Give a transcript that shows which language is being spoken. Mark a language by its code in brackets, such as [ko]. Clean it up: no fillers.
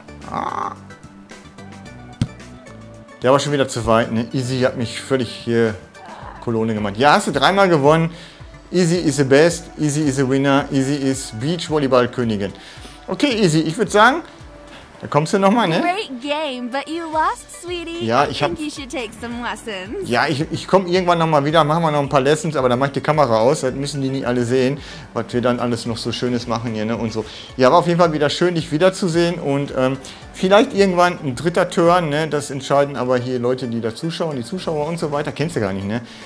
[de] Ah. Der war schon wieder zu weit, ne? Izzy hat mich völlig hier Kolone gemacht. Ja, hast du dreimal gewonnen. [en] Izzy is the best. Izzy is a winner. [de] Izzy is Beach Volleyball Königin. Okay, Izzy, ich würde sagen, da kommst du nochmal, ne? [en] Great game, but you lost, sweetie. [de] Ja, ich hab. [en] I think you should take some lessons. [de] Ja, ich komme irgendwann nochmal wieder, machen wir noch ein paar Lessons, aber dann mach ich die Kamera aus, dann müssen die nicht alle sehen, was wir dann alles noch so Schönes machen hier, ne? Und so. Ja, war auf jeden Fall wieder schön, dich wiederzusehen und vielleicht irgendwann ein dritter Turn, ne? Das entscheiden aber hier Leute, die da zuschauen, die Zuschauer und so weiter, kennst du gar nicht, ne?